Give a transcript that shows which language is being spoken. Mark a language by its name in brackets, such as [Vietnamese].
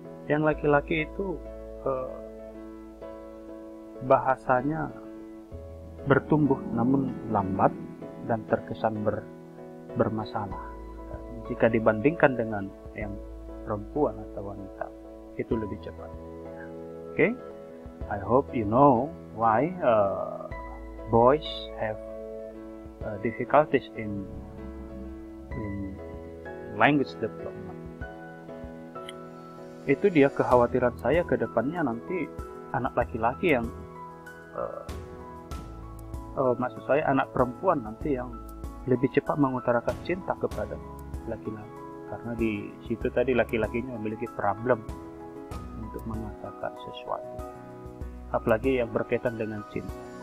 [Indonesian] Yang laki-laki itu bahasanya bertumbuh namun lambat dan terkesan bermasalah. Jika dibandingkan dengan yang perempuan atau wanita, itu lebih cepat. [English] Oke, okay? I hope you know why boys have difficulties in language development. [Indonesian] Itu dia kekhawatiran saya ke depannya nanti anak laki-laki yang maksud saya anak perempuan nanti yang lebih cepat mengutarakan cinta kepada laki-laki, karena di situ tadi laki-lakinya memiliki problem untuk mengatakan sesuatu apalagi yang berkaitan dengan cinta.